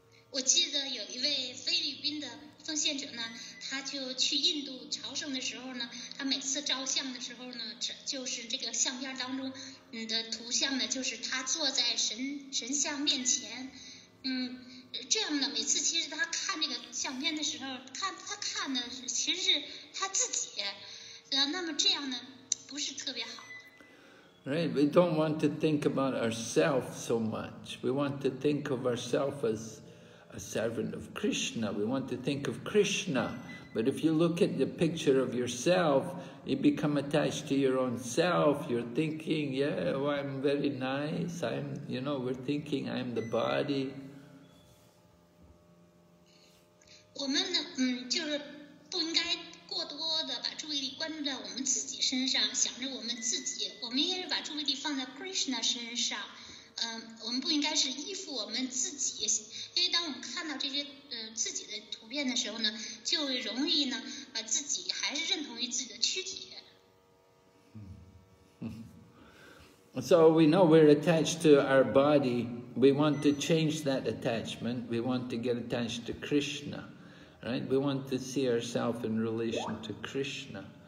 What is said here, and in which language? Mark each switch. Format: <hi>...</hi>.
<zh>我记得有一位菲律宾的奉献者呢，他就去印度朝圣的时候呢，他每次照相的时候呢，就是这个相片当中的图像呢，就是他坐在神像面前，这样呢，每次其实他看这个相片的时候，他看的其实是他自己，那么这样呢，不是特别好。</zh> <en>Right, we don't want to think about ourselves so much. We want to think of ourselves as a servant of Krishna. We want to think of Krishna. But if you look at the picture of yourself, you become attached to your own self. You're thinking, yeah, well, I'm very nice. I'm, you know, we're thinking I'm the body.</en> <zh>我们呢，就是不应该过多的把注意力关注在我们自己身上，想着我们自己。我们应该是把注意力放在 Krishna 身上。我们不应该是依附我们自己，因为当我们看到这些自己的图片的时候呢，就容易呢把自己还是认同于自己的躯体。</zh> <en>So we know we're attached to our body. We want to change that attachment. We want to get attached to Krishna, right? We want to see ourselves in relation to Krishna.</en>